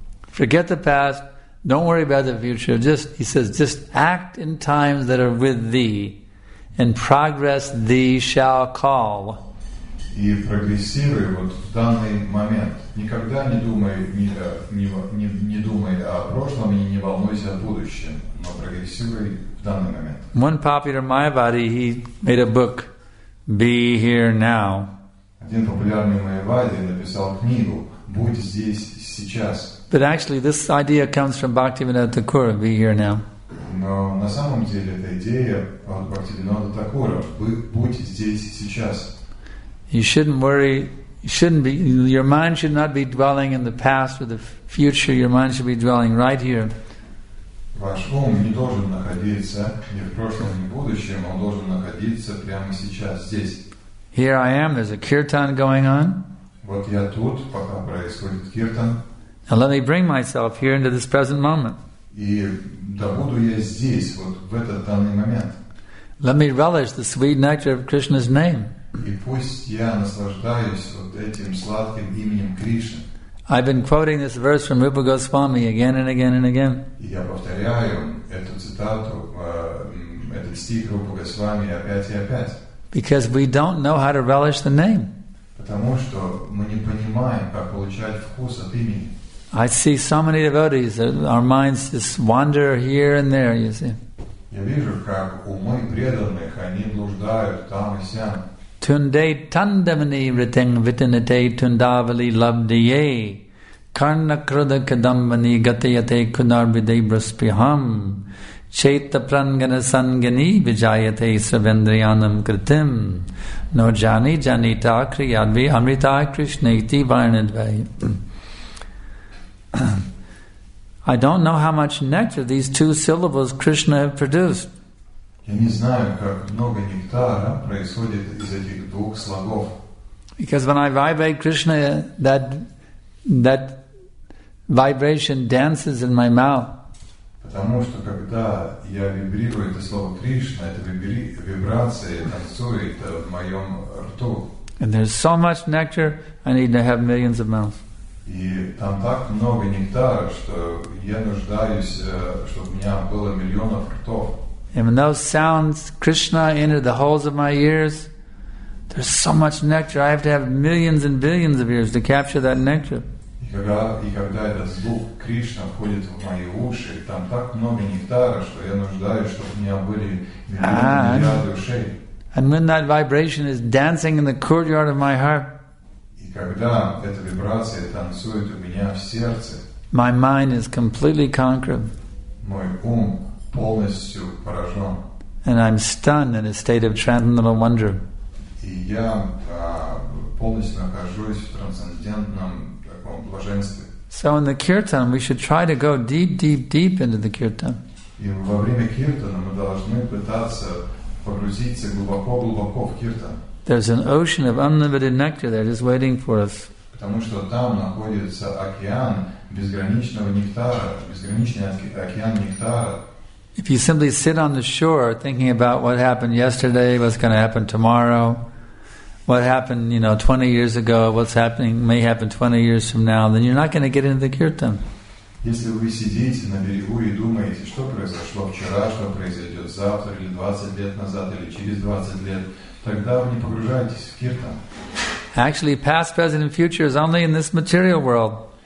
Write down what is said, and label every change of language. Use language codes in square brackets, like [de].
[en] Forget the past, don't worry about the future. Just, he says, just act in times that are with thee. in progress thee shall call. [ru] И прогрессируй вот в данный момент. Никогда не думай, не думай о прошлом и не волнуйся о будущем, но прогрессируй в данный момент. [en] One popular Mayavadi, he made a book, Be Here Now. [ru] Один популярный Майявади написал книгу «Будь здесь сейчас». [en] But actually, this idea comes from Bhaktivinoda Thakur, Be Here Now. [ru] Но на самом деле эта идея от Бхактивинода Такура «Будь здесь сейчас». [en] You shouldn't worry, your mind should not be dwelling in the past or the future, your mind should be dwelling right here. [ru] Ваш ум не должен находиться ни в прошлом, ни в будущем, он должен находиться прямо сейчас, здесь. [en] Here I am, there's a kirtan going on. [ru] Вот я тут, пока происходит kirtan. [en] Now let me bring myself here into this present moment. [ru] И да буду я здесь, вот в этот данный момент. [en] Let me relish the sweet nectar of Krishna's name. [ru] И пусть я наслаждаюсь вот этим сладким именем Кришны. [en] I've been quoting this verse from Rupa Goswami again and again and again. [ru] И я повторяю эту цитату, этот стих Рупа Госвами опять и опять. [en] Because we don't know how to relish the name. [ru] Потому что мы не понимаем, как получать вкус от имени. [en] I see so many devotees, our minds just wander here and there, you see. [ru] Я вижу, как умы преданных, они блуждают там и сям. [sa] Tunde tandamani riteng vitinate tundavali labdiye karna krudha kadambani gatayate kunarvide braspiham cheta prangana sangani vijayate savendriyanam kritim no jani janita kriyadvi amrita krishneti varnadvai. [en] I don't know how much nectar these two syllables Krishna have produced. [ru] Я не знаю, как много нектара происходит из этих двух слогов. [en] Because when I vibrate Krishna, that vibration dances in my mouth. [ru] Потому что когда я вибрирую это слово Кришна, это вибрация танцует в моем рту. [en] And there's so much nectar, I need to have millions of mouths. [ru] И там так много нектара, что я нуждаюсь, чтобы у меня было миллионов ртов. [en] And when those sounds, Krishna, enter the holes of my ears, there's so much nectar, I have to have millions and billions of ears to capture that nectar. [ru] И когда этот звук Кришна входит в мои уши, там так много нектара, что я нуждаюсь, чтобы у меня были миллионы ушей. [en] And when that vibration is dancing in the courtyard of my heart, [ru] и когда эта вибрация танцует у меня в сердце, [en] my mind is completely conquered. [ru] Мой ум полностью поражен. [en] And I'm stunned in a state of transcendental wonder. [ru] И я полностью нахожусь в трансцендентном таком блаженстве. [en] So in the kirtan, we should try to go deep, deep, deep into the kirtan. [ru] И во время kirtana мы должны пытаться погрузиться глубоко, глубоко в kirtan. [en] There's an ocean of unlimited nectar there just waiting for us. [ru] Потому что там находится океан безграничного нектара, безграничный океан нектара. [en] If you simply sit on the shore thinking about what happened yesterday, what's going to happen tomorrow, what happened, you know, 20 years ago, what's happening, may happen 20 years from now, then you're not going to get into the kirtan. [ru] Если вы сидите на берегу и думаете, что произошло вчера, что произойдет завтра, или 20 лет назад, или через 20 лет, тогда вы не погружаетесь в kirtan. [en] Actually, past, present, and future is only in this material world.